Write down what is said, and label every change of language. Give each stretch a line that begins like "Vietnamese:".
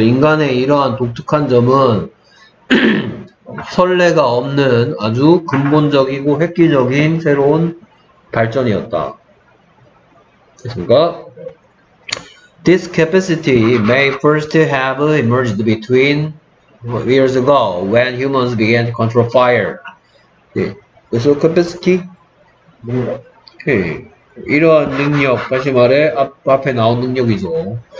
Korean: 인간의 이러한 독특한 점은 선례가 없는 아주 근본적이고 획기적인 새로운 발전이었다. 됐습니까?
English: This capacity may first have emerged between years ago when humans began to control fire.
Korean: 네.
English: This capacity?
Korean: 오케이. 이러한 능력, 다시 말해 앞에 나온 능력이죠.